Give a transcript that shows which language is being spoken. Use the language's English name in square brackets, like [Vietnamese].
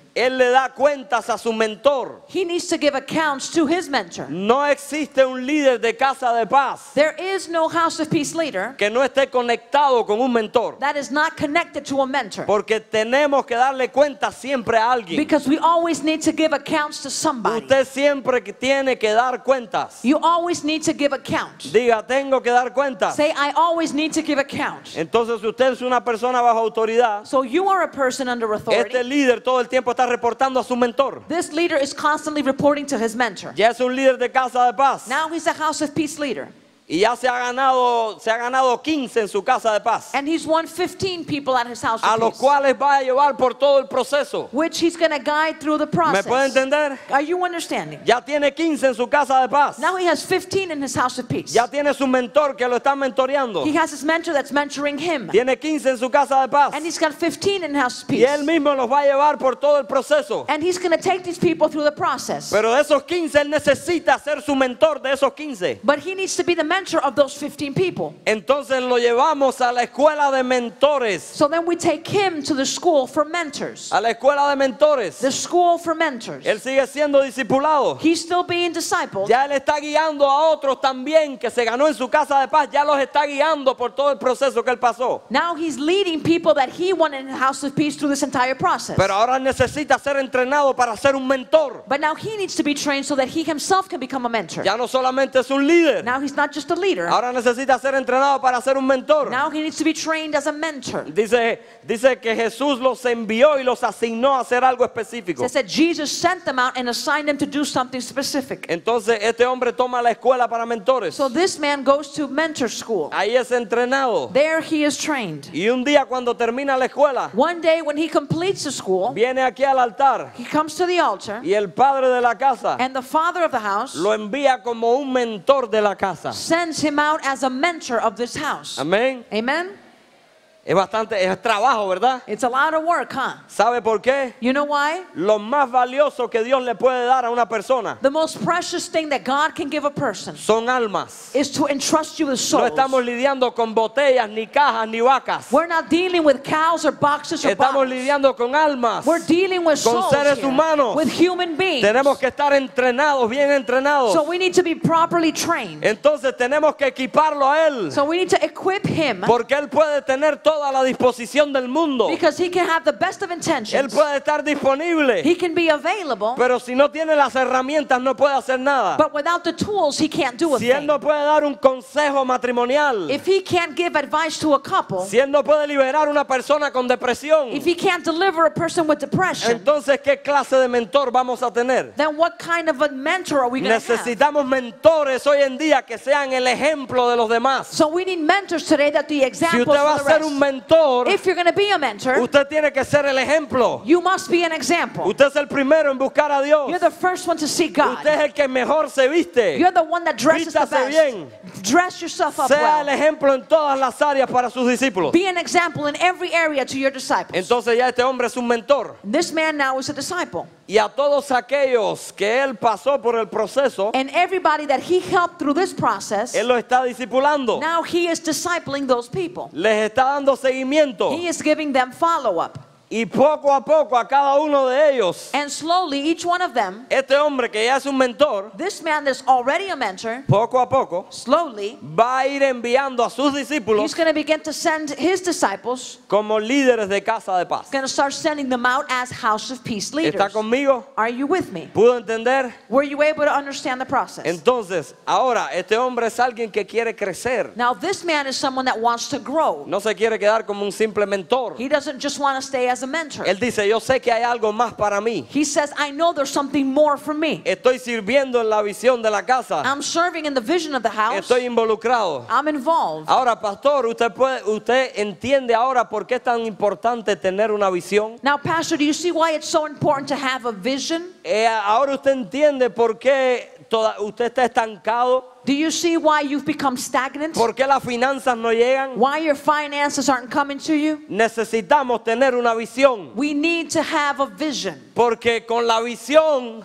[Spanish] Él le da cuentas a su mentor. [English] He needs to give accounts to his mentor. [Spanish] No existe un líder de casa de paz. [English] There is no house of peace leader. [Spanish] Que no esté conectado con un mentor. [English] That is not connected to a mentor. [Spanish] Porque tenemos que darle cuentas siempre a alguien. [English] Because we always need to give accounts to somebody. [Spanish] Usted siempre tiene que dar cuentas. [English] You always need to give accounts. [Spanish] Diga, tengo que dar cuentas. [English] Say, I always need to give accounts. [Spanish] Entonces usted es una persona bajo autoridad. [English] So you are a person under authority. [Spanish] Este líder todo el tiempo está reportando a su mentor. [English] This leader is constantly reporting to his mentor. [Spanish] Ya es un líder de casa de paz. [English] Now he's a house of peace leader. [Spanish] Y ya se ha ganado 15 en su casa de paz. [English] And he's won 15 people at his house of peace. [Spanish] A los cuales va a llevar por todo el proceso. [English] Which he's going to guide through the process. [Spanish] ¿Me puede entender? [English] Are you understanding? [Spanish] Ya tiene 15 en su casa de paz. [English] Now he has 15 in his house of peace. [Spanish] Ya tiene su mentor que lo está mentoreando. [English] He has his mentor that's mentoring him. [Spanish] Tiene 15 en su casa de paz. [English] And he's got 15 in his house of peace. [Spanish] Y él mismo los va a llevar por todo el proceso. [English] And he's going to take these people through the process. [Spanish] Pero de esos 15, él necesita ser su mentor de esos 15. [English] But he needs to be the mentor of those 15 people. [Spanish] Entonces lo llevamos a la escuela de mentores. [English] So then we take him to the school for mentors. [Spanish] A la escuela de mentores. [English] The school for mentors. [Spanish] Él sigue siendo discipulado. [English] He's still being discipled. [Spanish] Ya él está guiando a otros también que se ganó en su casa de paz. Ya los está guiando por todo el proceso que él pasó. [English] Now he's leading people that he won in the house of peace through this entire process. [Spanish] Pero ahora necesita ser entrenado para ser un mentor. [English] But now he needs to be trained so that he himself can become a mentor. [Spanish] Ya no solamente es un líder. [English] Now he's not just a leader. [Spanish] Ahora necesita ser entrenado para ser un mentor. [English] Now he needs to be trained as a mentor. [Spanish] Dice que Jesús los envió y los asignó a hacer algo específico. [English] So it said Jesus sent them out and assigned them to do something specific. [Spanish] Entonces este hombre toma la escuela para mentores. [English] So this man goes to mentor school. [Spanish] Ahí es entrenado. [English] There he is trained. [Spanish] Y un día cuando termina la escuela, [English] one day when he completes the school, [Spanish] viene aquí al altar. [English] He comes to the altar. [Spanish] Y el padre de la casa, [English] and the father of the house, [Spanish] lo envía como un mentor de la casa. [English] Sends him out as a mentor of this house. [Spanish] Amén. [English] Amen. [Spanish] Es bastante, es trabajo, ¿verdad? [English] It's a lot of work, huh? [Spanish] ¿Sabe por qué? [English] You know why? [Spanish] Lo más valioso que Dios le puede dar a una persona, [English] the most precious thing that God can give a person, [Spanish] son almas. [English] Is to entrust you with souls. [Spanish] No estamos lidiando con botellas, ni cajas, ni vacas. [English] We're not dealing with cows or boxes or [Spanish] estamos [English] bottles. [Spanish] Estamos lidiando con almas. [English] We're dealing with [Spanish] con [English] souls. [Spanish] Con seres [English] here, [Spanish] humanos. [English] With human beings. [Spanish] Tenemos que estar entrenados, bien entrenados. [English] So we need to be properly trained. [Spanish] Entonces tenemos que equiparlo a él. [English] So we need to equip him. [Spanish] Porque él puede tener toda la disposición del mundo. [English] Because he can have the best of intentions. [Spanish] Él puede estar disponible. [English] He can be available. [Spanish] Pero si no tiene las herramientas, no puede hacer nada. [English] But without the tools, he can't do a thing. [Spanish] Si él no puede dar un consejo matrimonial. [English] If he can't give advice to a couple. [Spanish] Si él no puede liberar una persona con depresión. [English] If he can't deliver a person with depression. [Spanish] Entonces, ¿qué clase de mentor vamos a tener? [English] Then what kind of a mentor are we going to have? [Spanish] Necesitamos mentores hoy en día que sean el ejemplo de los demás. [English] So we need mentors today that the example for the rest. Mentor, if you're going to be a mentor, [Spanish] usted tiene que ser el ejemplo. [English] You must be an example. [Spanish] Usted es el primero en buscar a Dios. [English] You're the first one to seek God. [Spanish] Usted es el que mejor se viste. [English] You're the one that dresses [Spanish] Vístase [English] the best. [Spanish] Bien. [English] Dress yourself up [Spanish] sea [English] well. [Spanish] El ejemplo en todas las áreas para sus discípulos. [English] Be an example in every area to your disciples. [Spanish] Entonces ya este hombre es un mentor. [English] This man now is a disciple. [Spanish] Y a todos aquellos que él pasó por el proceso, [English] and everybody that he helped through this process, [Spanish] él lo está discipulando. [English] Now he is discipling those people. [Spanish] Les está dando seguimiento. [English] He is giving them follow up. [Spanish] Y poco a poco a cada uno de ellos, [English] and slowly each one of them, [Spanish] este hombre que ya es un mentor, [English] this man that's already a mentor, [Spanish] poco a poco, [English] slowly, [Spanish] va a ir enviando a sus discípulos, [English] he's going to begin to send his disciples, [Spanish] como líderes de casa de paz, [English] going to start sending them out as house of peace leaders. [Spanish] ¿Está conmigo? [English] Are you with me? [Spanish] ¿Pudo entender? [English] Were you able to understand the process? [Spanish] Entonces, ahora, este hombre es alguien que quiere crecer. [English] Now this man is someone that wants to grow. [Spanish] No se quiere quedar como un simple mentor. [English] He doesn't just want to stay as a mentor. [Spanish] Él dice, yo sé que hay algo más para mí. [English] He says, I know there's something more for me. [Spanish] Estoy sirviendo en la visión de la casa. [English] I'm serving in the vision of the house. [Spanish] Estoy involucrado. [English] I'm involved. [Spanish] Ahora, pastor, usted entiende ahora por qué es tan importante tener una visión. [English] Now, pastor, do you see why it's so important to have a vision? [Spanish] Ahora usted entiende por qué usted está estancado. [English] Do you see why you've become stagnant? [Spanish] ¿Por qué las finanzas no llegan? [English] Why your finances aren't coming to you? [Spanish] Necesitamos tener una visión. [English] We need to have a vision. [Spanish] Porque con la visión,